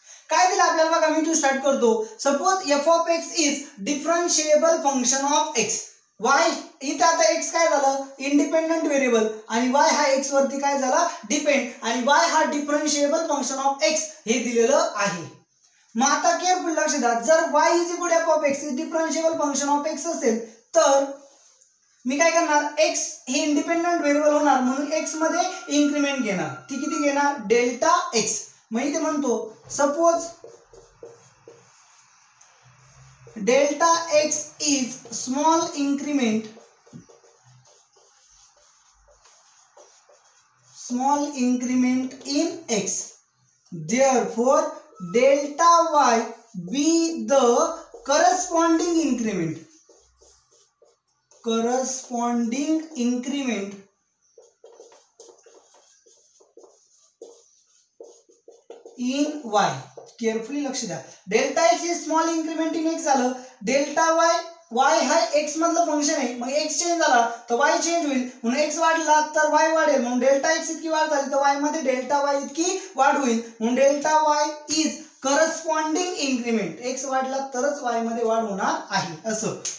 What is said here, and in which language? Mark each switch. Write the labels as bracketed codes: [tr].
[mr] काय दिलं आपल्याला बघा, मी तू स्टार्ट करतो। [en] suppose f(x) is differentiable function of x, [mr] y इथे आता x काय झालं इंडिपेंडेंट व्हेरिएबल आणि y हा x वरती काय झाला डिपेंड, आणि y हा डिफरेंशिएबल फंक्शन ऑफ x हे दिलेलं आहे। मग आता केअरफुल लक्ष द्या, जर [en] y is equal to f(x) is differentiable function of x [mr] असेल तर मी काय करणार, x हे इंडिपेंडेंट व्हेरिएबल होणार म्हणून x मध्ये इन्क्रिमेंट घेणार, ती किती घेणार डेल्टा x। मग इथे म्हणतो [en] Suppose delta x is small increment, small increment in x, therefore delta y be the corresponding increment, corresponding increment in y. [mr] Carefully लक्ष द्या, [en] delta x is small increment in x [mr] झालं, delta y, Y हा x मधलं function आहे, मग x change झाला तर Y change होईल, म्हणून एक्स वाढला तर वाय वाढेल, म्हणून डेल्टा एक्स इतकी वाढ झाली तर वाय मध्ये डेल्टा वाय इतकी वाढ होईल, म्हणून [en] delta y is corresponding increment, [mr] x वाढला तरच वाय मध्ये वाढ होणार आहे असं।